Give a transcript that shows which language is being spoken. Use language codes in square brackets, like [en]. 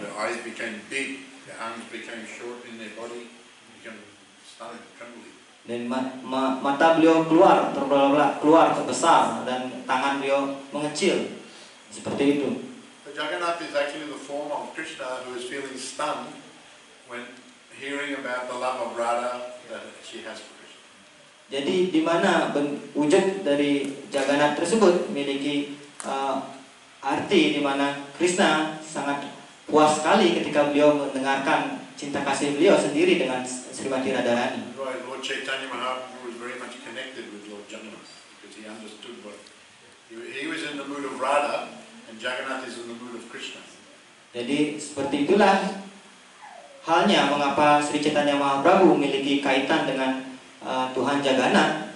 [en] The eyes became big, the arms became short in their body, became started trembling. [id] Dan mata beliau keluar, terbelalak keluar terbesar, dan tangan beliau mengecil seperti itu. [en] The Jagannath is actually the form of Krishna who is feeling stunned when hearing about the love of Radha that she has for Krishna. [id] Jadi di mana wujud dari Jagannath tersebut memiliki arti di mana Krishna sangat puas sekali ketika beliau mendengarkan cinta kasih beliau sendiri dengan Srimati Radharani. [en] Right, Lord Chaitanya Mahaprabhu was very much connected with Lord Jagannath because he understood what he was in the mood of Radha and Jagannath is in the mood of Krishna. [id] Jadi seperti itulah halnya mengapa Sri Chaitanya Mahaprabhu memiliki kaitan dengan Tuhan Jagannath.